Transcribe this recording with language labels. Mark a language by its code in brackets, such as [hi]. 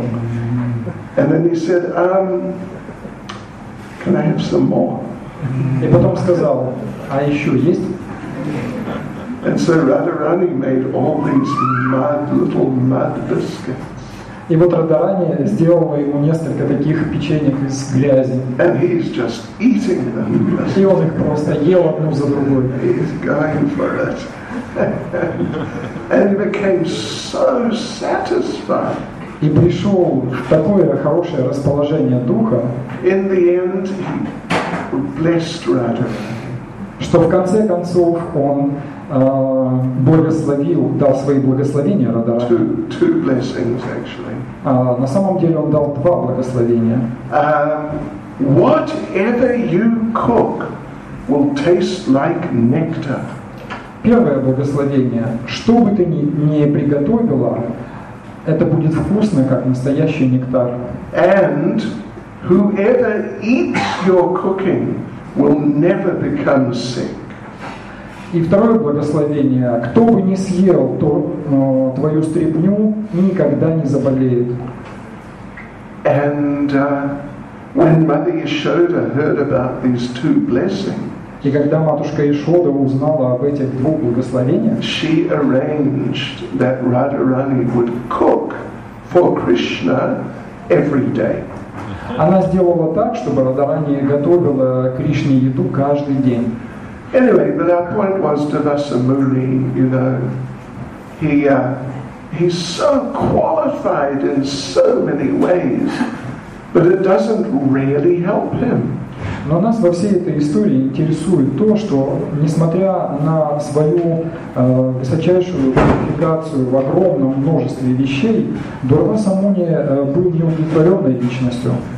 [en] And then he said, can I have some more? [ru] И потом сказал, а еще есть? [en] And so Radharani made all these mud, little mud biscuits. [ru] И вот Радхарани сделала ему несколько таких печенек из грязи. [en] And he's just eating them. [ru] И он их просто ел одну за другой. [en] He's going for it. And he became so satisfied. [ru] И пришел в такое хорошее расположение духа. [en] In the end, he blessed Radharani. [ru] Что в конце концов он благословил, дал свои благословения Радхарани. [en] Two blessings, actually. [ru] На самом деле он дал два благословения. [en] Whatever you cook will taste like nectar. [ru] Первое благословение. Что бы ты ни приготовила, это будет вкусно, как настоящий нектар. [en] And whoever eats your cooking will never become sick. [ru] И второе благословение. Кто бы ни съел твою стряпню, никогда не заболеет. [en] And when Mother Yashoda heard about these two blessings, [ru] и когда матушка Ишода узнала об этих двух благословениях, [en] she arranged that Radharani would cook for Krishna every day. [ru] Она сделала так, чтобы Радхарани готовила Кришне еду каждый день. [en] Anyway, but our point was Devasa Muni, you know, he's so qualified in so many ways, but it doesn't really help him. [ru] Но нас во всей этой истории интересует то, что, несмотря на свою высочайшую квалификацию в огромном множестве вещей, Дурвасса Муни был неудовлетворенной личностью.